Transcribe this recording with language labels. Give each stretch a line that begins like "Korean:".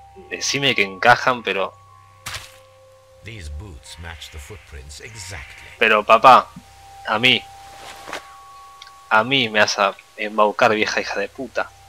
Spanish: Decime que encajan, pero.
English: These boots match the footprints exactly.
Spanish: Pero papá, a mí me vas a embaucar, vieja hija de puta.